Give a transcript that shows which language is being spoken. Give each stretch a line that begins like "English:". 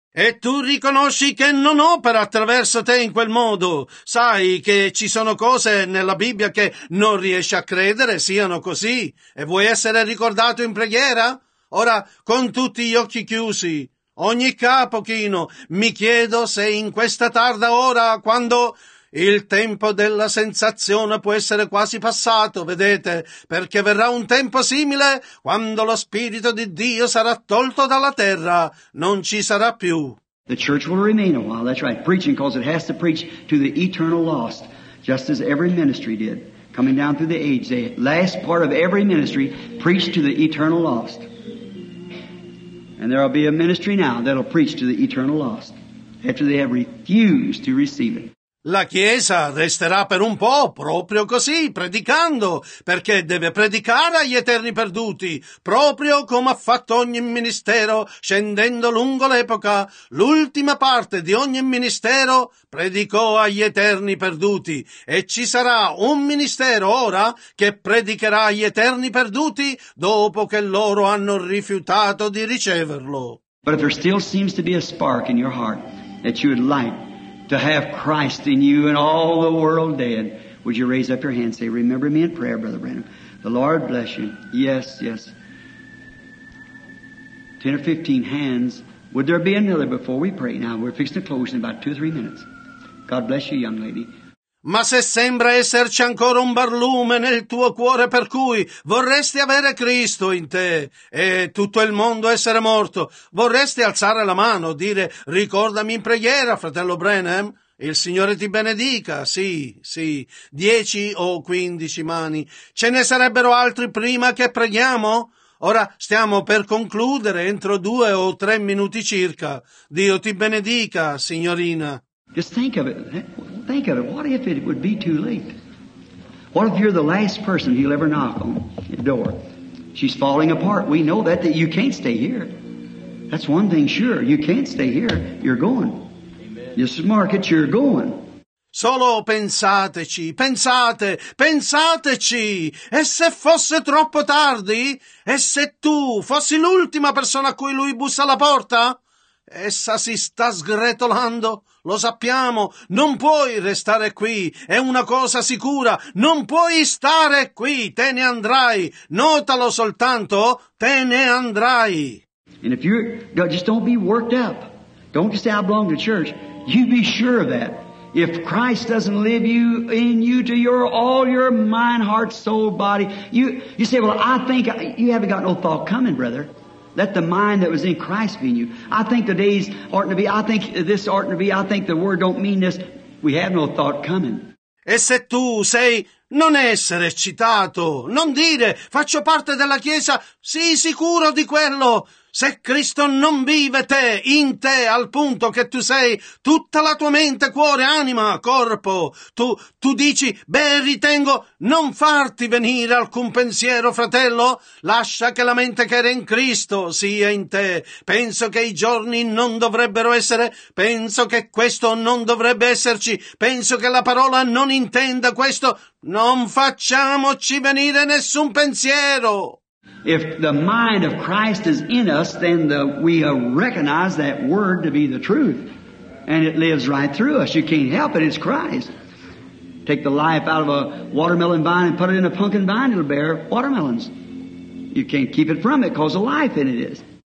Italian: E tu riconosci che non opera attraverso te in quel modo. Sai che ci sono cose nella Bibbia che non riesci a credere siano così. E vuoi essere ricordato in preghiera? Ora, con tutti gli occhi chiusi, ogni capo chino, mi chiedo se in questa tarda ora, quando il tempo della sensazione può essere quasi passato, vedete, perché verrà un tempo simile quando lo Spirito di Dio sarà tolto dalla terra, non ci sarà più.
English: The church will remain a while, that's right, preaching, because it has to preach to the eternal lost, just as every ministry did, coming down through the age, the last part of every ministry preached to the eternal lost. And there will be a ministry now that'll preach to the eternal lost, after they have refused to receive it.
Italian: La Chiesa resterà per un po' proprio così, predicando, perché deve predicare agli eterni perduti, proprio come ha fatto ogni ministero, scendendo lungo l'epoca. L'ultima parte di ogni ministero predicò agli eterni perduti, e ci sarà un ministero ora che predicherà agli eterni perduti dopo che loro hanno rifiutato di riceverlo.
English: But if there still seems to be a spark in your heart that you would like to have Christ in you and all the world dead, would you raise up your hand and say, remember me in prayer, Brother Branham. The Lord bless you. Yes, yes. 10 or 15 hands. Would there be another before we pray? Now, we're fixing to close in about 2 or 3 minutes. God bless you, young lady.
Italian: Ma se sembra esserci ancora un barlume nel tuo cuore per cui vorresti avere Cristo in te e tutto il mondo essere morto, vorresti alzare la mano, dire ricordami in preghiera, fratello Branham, il Signore ti benedica, sì, sì, 10 o 15 mani. Ce ne sarebbero altri prima che preghiamo? Ora stiamo per concludere entro 2 o 3 minuti circa. Dio ti benedica, signorina.
English: Just think of it. Think of it. What if it would be too late? What if you're the last person he'll ever knock on the door? She's falling apart. We know that, you can't stay here. That's one thing sure. You can't stay here. You're going. Amen. This market, you're going.
Italian: Solo pensateci, pensate, pensateci! E se fosse troppo tardi? E se tu fossi l'ultima persona a cui lui bussa alla porta? Essa si sta sgretolando, lo sappiamo, non puoi restare qui, è una cosa sicura, non puoi stare qui, te ne andrai, notalo soltanto, te ne andrai.
English: And if you just don't be worked up, don't just say I belong to church, you be sure of that. If Christ doesn't live you in you to your all your mind, heart, soul, body, you say, well, I think you haven't got no thought coming, brother. Let the mind that was in Christ be in you. I think the days oughtn't to be. I think this oughtn't to be. I think the word don't mean this. We have no thought coming.
Italian: E se tu sei, non essere eccitato. Non dire, faccio parte della Chiesa. Sii sicuro di quello. Se Cristo non vive te, in te, al punto che tu sei, tutta la tua mente, cuore, anima, corpo, tu dici, beh, ritengo, non farti venire alcun pensiero, fratello, lascia che la mente che era in Cristo sia in te. Penso che i giorni non dovrebbero essere, penso che questo non dovrebbe esserci, penso che la parola non intenda questo, non facciamoci venire nessun pensiero.
English: If the mind of Christ is in us, then we recognize that word to be the truth. And it lives right through us. You can't help it. It's Christ. Take the life out of a watermelon vine and put it in a pumpkin vine, it'll bear watermelons. You can't keep it from it because the life in it is.